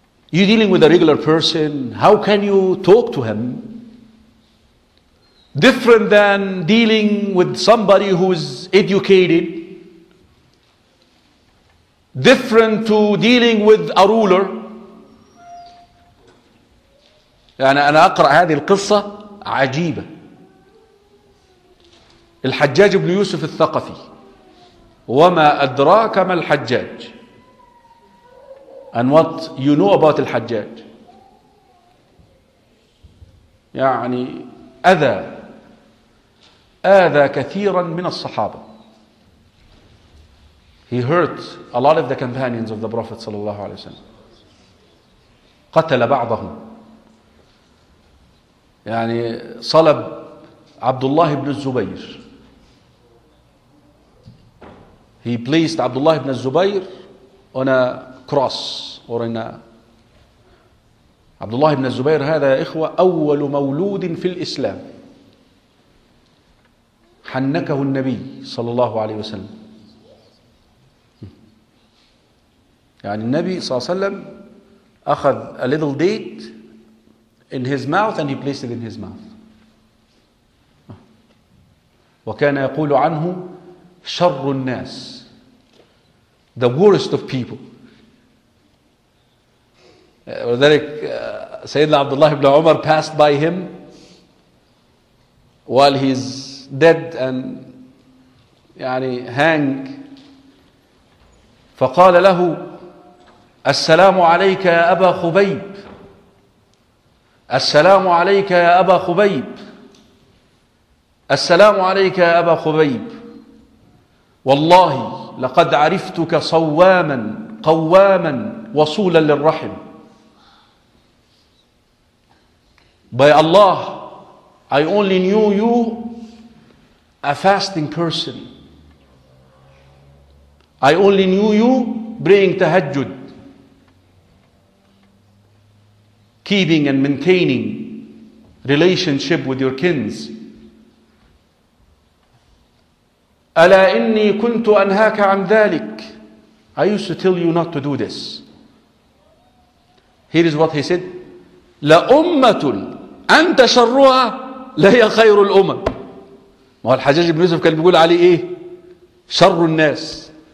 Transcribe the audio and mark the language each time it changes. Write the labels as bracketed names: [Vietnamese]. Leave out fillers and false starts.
[English] You're dealing with a regular person, how can you talk to him? Different than dealing with somebody who is educated. Different to dealing with a ruler. [Arabic] أنا أقرأ هذه القصة عجيبة. الحجاج بن يوسف الثقفي. وما أدراك ما الحجاج؟ And what you know about الحجاج؟ يعني أذى كثيرا من الصحابة. [English] He hurt a lot of the companions of the Prophet صلى الله عليه وسلم. [Arabic] قتل بعضهم. يعني صلب عبد الله بن الزبير. He placed عبد الله بن الزبير on a cross or in a. عبد الله بن الزبير هذا يا إخوة أول مولود في الإسلام. حنكه النبي صلى الله عليه وسلم. [English] يعني النبي صلى الله عليه وسلم أخذ a little date in his mouth and he placed it in his mouth. [Arabic] وكان يقول عنه شر الناس, the worst of people. وذلك سيدنا عبد الله بن عمر passed by him while he's dead and يعني hang, فقال له السلام عليك يا أبا خبيب, السلام عليك يا أبا خبيب, السلام عليك يا أبا خبيب, والله لقد عرفتك صواما قواما وصولا للرحم. [English] By Allah, I only knew you a fasting person. I only knew you praying tahajjud, keeping and maintaining relationship with your kins. [Arabic] ألا إني كنت أنهاك عن ذلك. [English] I used to tell you not to do this. Here is what he said. [Arabic] لأمة أنت شرها لهي خير الأمم. ما هو الحجاج بن يوسف كان بيقول علي إيه؟ شر الناس.